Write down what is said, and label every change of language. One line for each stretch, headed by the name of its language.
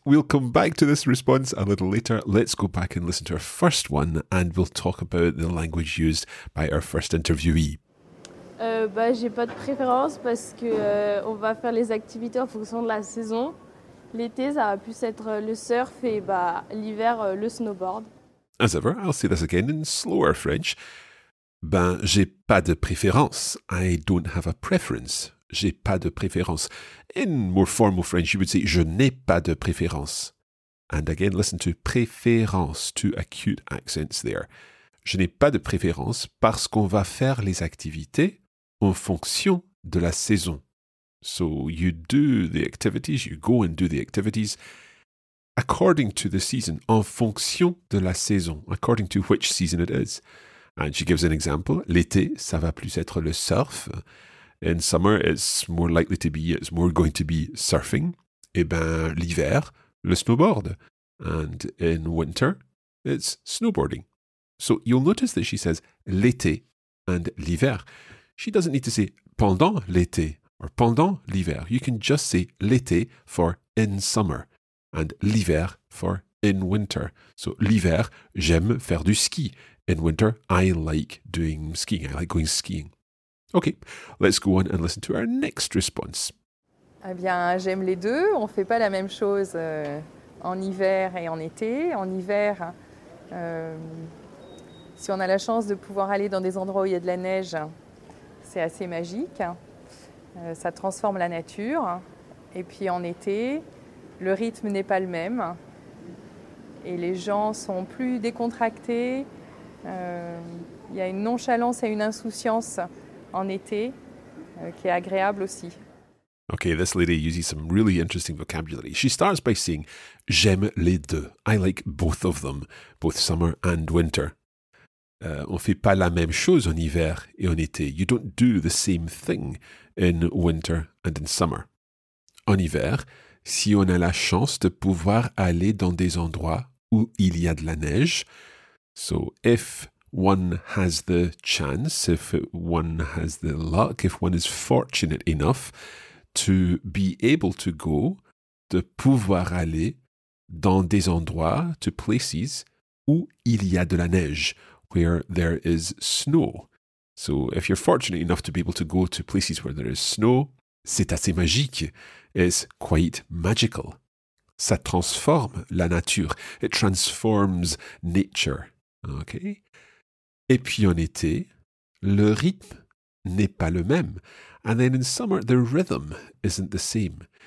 English: We'll come back to this response a little later. Let's go back and listen to our first one and we'll talk about the language used by our first interviewee.
French: J'ai pas de préférence parce que on va faire les activités en fonction de la saison. L'été, ça va plus être le surf et l'hiver, le snowboard.
English: As ever, I'll say this again in slower French.
French: J'ai pas de préférence.
English: I don't have a preference.
French: J'ai pas de préférence.
English: In more formal French, you would say,
French: je n'ai pas de préférence.
English: And again, listen to préférence, two acute accents there.
French: Je n'ai pas de préférence parce qu'on va faire les activités en fonction de la saison.
English: So you do the activities, you go and do the activities according to the season,
French: en fonction de la saison,
English: according to which season it is. And she gives an example.
French: L'été, ça va plus être le surf.
English: In summer, it's more going to be surfing.
French: Et l'hiver, le snowboard.
English: And in winter, it's snowboarding. So you'll notice that she says l'été and l'hiver. She doesn't need to say
French: pendant l'été
English: or
French: pendant l'hiver.
English: You can just say l'été for in summer and l'hiver for in winter. So
French: l'hiver, j'aime faire du ski.
English: In winter, I like doing skiing. I like going skiing. Okay, let's go on and listen to our next response.
French: Eh bien, j'aime les deux. On ne fait pas la même chose en hiver et en été. En hiver, si on a la chance de pouvoir aller dans des endroits où il y a de la neige, c'est assez magique. Ça transforme la nature. Et puis en été, le rythme n'est pas le même. Et les gens sont plus décontractés. Il y a une nonchalance et une insouciance en été, qui est agréable aussi.
English: Okay, this lady uses some really interesting vocabulary. She starts by saying,
French: j'aime les deux.
English: I like both of them, both summer and winter.
French: On ne fait pas la même chose en hiver et en été.
English: You don't do the same thing in winter and in summer.
French: En hiver, si on a la chance de pouvoir aller dans des endroits où il y a de la neige,
English: so if one has the chance, if one has the luck, if one is fortunate enough to be able to go,
French: de pouvoir aller dans des endroits,
English: to places,
French: où il y a de la neige,
English: where there is snow. So if you're fortunate enough to be able to go to places where there is snow,
French: c'est assez magique.
English: It's quite magical.
French: Ça transforme la nature.
English: It transforms nature. Okay.
French: Et puis en été, le rythme n'est pas le même.
English: And then in summer, the rhythm isn't the same.